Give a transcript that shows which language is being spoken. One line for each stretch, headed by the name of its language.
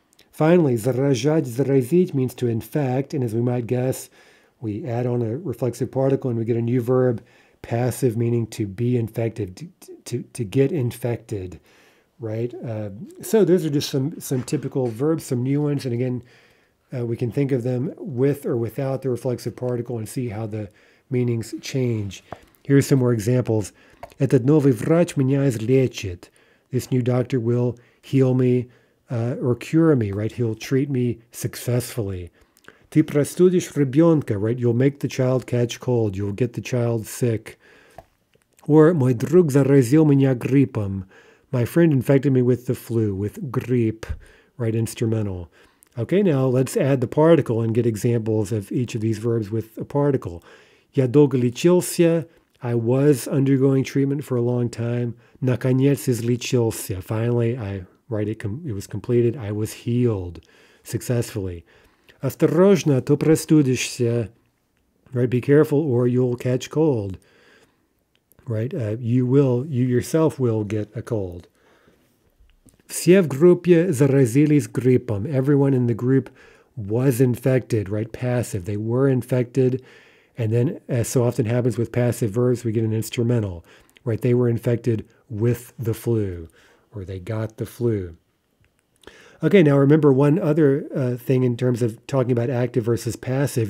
English: Finally, zarazhat, zarazit means to infect. And as we might guess, we add on a reflexive particle and we get a new verb, passive meaning to be infected, to get infected, right? So those are just some typical verbs, some new ones. And again, we can think of them with or without the reflexive particle and see how the meanings change. Here's some more examples.
Russian: Этот новый врач меня излечит.
English: This new doctor will heal me or cure me, right? He'll treat me successfully.
Russian: Ты простудишь ребенка,
English: right? You'll make the child catch cold. You'll get the child sick.
Russian: Or мой друг заразил меня гриппом.
English: My friend infected me with the flu, with грипп, right? Instrumental. Okay, now let's add the particle and get examples of each of these verbs with a particle.
Russian: Я долго лечился.
English: I was undergoing treatment for a long time.
Russian: Наконец излечился.
English: Finally, it was completed. I was healed successfully.
Russian: Осторожно, то простудишься.
English: Right, be careful or you'll catch cold. Right, you yourself will get a cold.
Russian: Все в группе заразились гриппом.
English: Everyone in the group was infected, right, passive. They were infected. And then, as so often happens with passive verbs, we get an instrumental, right? They were infected with the flu, or they got the flu. Okay, now remember one other thing in terms of talking about active versus passive.